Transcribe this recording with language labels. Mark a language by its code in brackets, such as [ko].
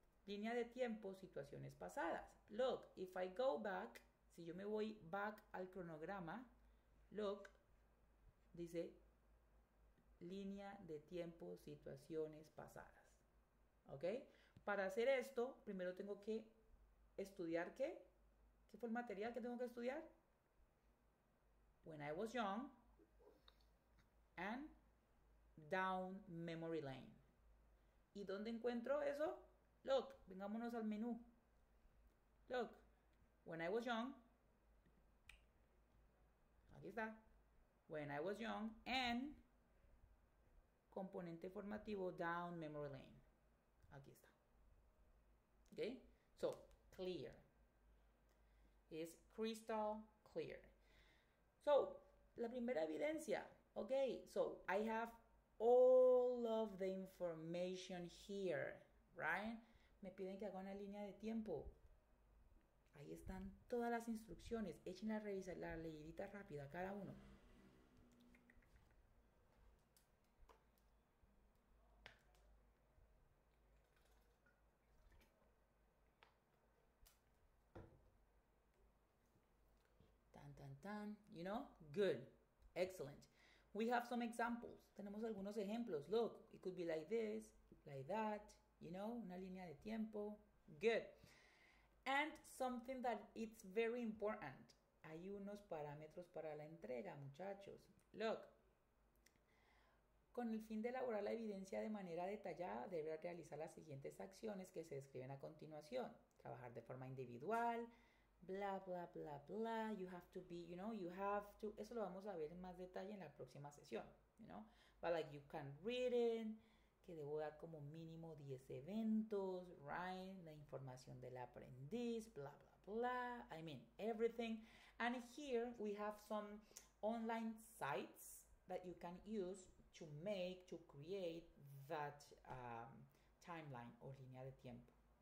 [es] línea de tiempo, situaciones pasadas. Look, [en] if I go back, [es] si yo me voy back al cronograma, look, dice línea de tiempo, situaciones pasadas. ¿Ok? Para hacer esto, primero tengo que estudiar qué. ¿Qué fue el material que tengo que estudiar? [en] When I was young and down memory lane. [es] ¿Y dónde encuentro eso? Look, vengámonos al menú. [en] Look, when I was young. [es] Aquí está. [en] When I was young and componente formativo down memory lane. [es] Aquí está. Okay? So, clear. [en] Is crystal clear. So, [es] la primera evidencia. [en] Okay, so I have all of the information here, right? [es] Me piden que haga una línea de tiempo. Ahí están todas las instrucciones. Echen la revisa, la leidita rápida, cada uno. [en] Tan, tan, tan. You know? Good. Excellent. We have some examples. [es] Tenemos algunos ejemplos. [en] Look, it could be like this, like that. You know, [es] una línea de tiempo. [en] Good. And something that it's very important. [es] Hay unos parámetros para la entrega, muchachos. Look. Con el fin de elaborar la evidencia de manera detallada, debe realizar las siguientes acciones que se describen a continuación. Trabajar de forma individual. Bla, bla, bla, bla. [en] You have to be, you know, you have to. [es] Eso lo vamos a ver en más detalle en la próxima sesión. [en] You know, but like you can read it. [es] Que debo dar como mínimo 10 eventos, right? La información del aprendiz, bla, bla, bla. [en] I mean, everything. And here we have some online sites that you can use to make, to create that timeline or línea de tiempo.